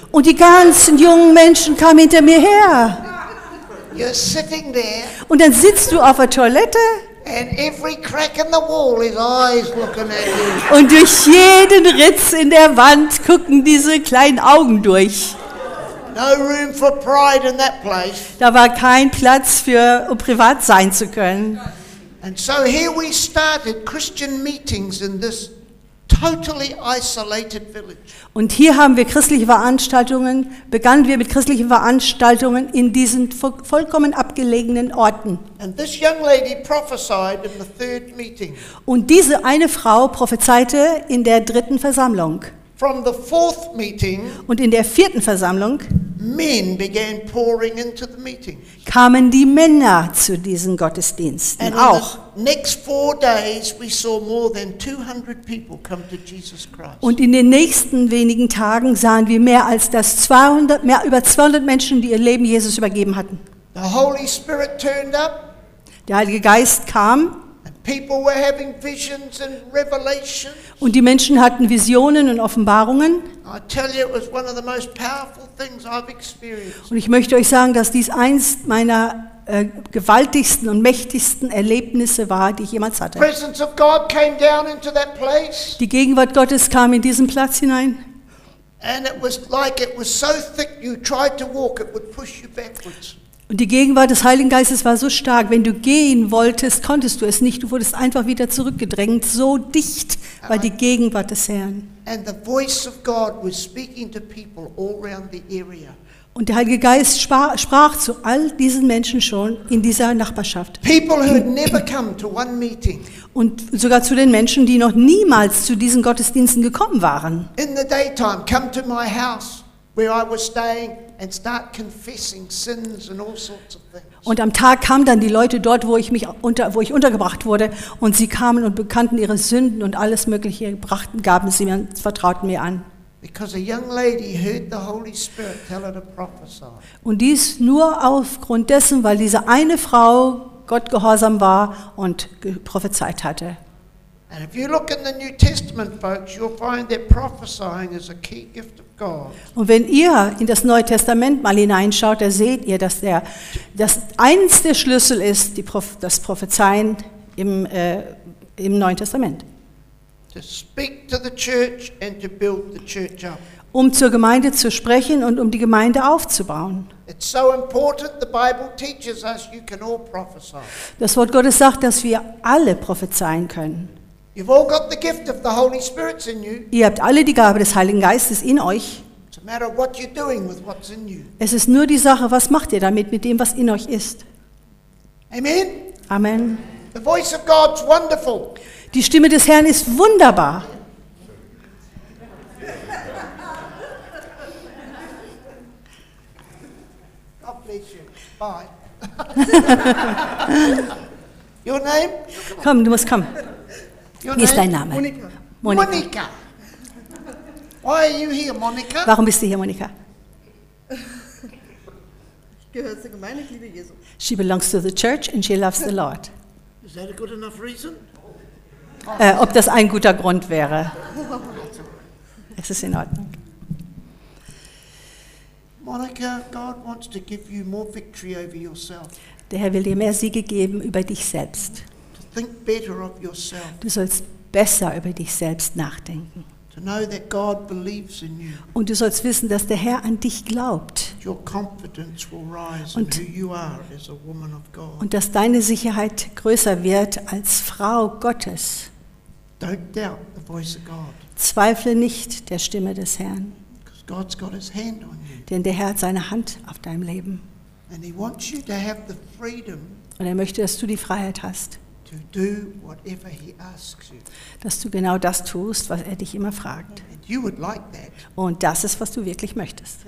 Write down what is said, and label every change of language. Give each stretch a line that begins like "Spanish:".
German: Und die ganzen jungen Menschen kamen hinter mir her.
English: You're sitting there.
German: Und dann sitzt du auf der Toilette.
English: And every crack in the wall is eyes looking at you.
German: Und durch jeden Ritz in der Wand gucken diese kleinen Augen durch.
English: No room for pride in that place.
German: Da war kein Platz für um privat sein zu können.
English: And so here we started Christian meetings in this totally isolated village.
German: Und hier haben wir christliche Veranstaltungen, begannen wir mit christlichen Veranstaltungen in diesen vollkommen abgelegenen Orten.
English: And this young lady prophesied in the third meeting.
German: Und diese eine Frau prophezeite in der dritten Versammlung.
English: From the fourth meeting,
German: und in der vierten Versammlung,
English: men began pouring into the meeting.
German: Kamen die Männer zu diesen Gottesdiensten
English: and
German: auch.
English: Next 4 days we saw more than 200 people come to Jesus Christ.
German: Und in den nächsten wenigen Tagen sahen wir mehr über 200 Menschen, die ihr Leben Jesus übergeben hatten.
English: The Holy Spirit turned up.
German: Der Heilige Geist kam.
English: People were having visions and revelations.
German: Und die Menschen hatten Visionen und Offenbarungen.
English: I tell you, it was one of the most powerful things I've experienced.
German: Und ich möchte euch sagen, dass dies eins meiner gewaltigsten und mächtigsten Erlebnisse war, die ich jemals hatte.
English: Presence of God came down into that place.
German: Die Gegenwart Gottes kam in diesen Platz hinein.
English: And it was like it was so thick you tried to walk, it would push you backwards.
German: Und die Gegenwart des Heiligen Geistes war so stark, wenn du gehen wolltest, konntest du es nicht. Du wurdest einfach wieder zurückgedrängt, so dicht war die Gegenwart des Herrn.
English: And the voice of God was speaking to people all around the area.
German: Und der Heilige Geist sprach zu all diesen Menschen schon in dieser Nachbarschaft.
English: People who had never come to one meeting.
German: Und sogar zu den Menschen, die noch niemals zu diesen Gottesdiensten gekommen waren.
English: In the daytime, come to my house where I was staying. And start confessing sins and all sorts of things.
German: Und am Tag kamen dann die Leute dort, wo ich untergebracht wurde, und sie kamen und bekannten ihre Sünden und alles Mögliche, vertrauten mir an.
English: Because a young lady heard the Holy Spirit tell her to prophesy.
German: Und dies nur aufgrund dessen, weil diese eine Frau Gott gehorsam war und prophezeit hatte.
English: And if you look in the New Testament, folks, you'll find that prophesying is a key gift of God.
German: Und wenn ihr in das Neue Testament mal hineinschaut, da seht ihr, dass eins der Schlüssel ist, das Prophezeien im Neuen Testament.
English: To speak to the church and to build the church up.
German: Um zur Gemeinde zu sprechen und um die Gemeinde aufzubauen.
English: It's so important, the Bible teaches us you can all prophesy.
German: Das Wort Gottes sagt, dass wir alle prophezeien können.
English: You've all got the gift of the Holy Spirit in you.
German: Ihr habt alle die Gabe des Heiligen Geistes in euch.
English: It's a matter of what you're doing with what's in you.
German: Es ist nur die Sache, was macht ihr damit mit dem, was in euch ist.
English: Amen.
German: Amen.
English: The voice of God's wonderful.
German: Die Stimme des Herrn ist wunderbar.
English: God bless you. Bye. Your name?
German: Komm, du musst kommen. Wie ist dein Name?
English: Monika. Why are you here, Monika?
German: Warum bist du hier, Monika? Ich gehöre zur Gemeinde, ich liebe Jesus.
English: She belongs to the church and she loves the Lord. Is that a good enough reason?
German: Ob das ein guter Grund wäre? Es ist in Ordnung.
English: Monika, God wants to give you more victory over yourself.
German: Der Herr will dir mehr Siege geben über dich selbst.
English: Think better of yourself.
German: Du sollst besser über dich selbst nachdenken.
English: To know that God believes in you.
German: Und du sollst wissen, dass der Herr an dich glaubt.
English: Your confidence will rise in who you are as a woman of God.
German: Und dass deine Sicherheit größer wird als Frau Gottes.
English: Don't doubt the voice of God.
German: Zweifle nicht der Stimme des Herrn.
English: Because God's got his hand on you.
German: Denn der Herr hat seine Hand auf deinem Leben.
English: And he wants you to have the freedom.
German: Und er möchte, dass du die Freiheit hast.
English: To do whatever he asks you.
German: Dass du genau das tust, was er dich immer fragt.
English: And you would like that.
German: Und das ist, was du wirklich möchtest.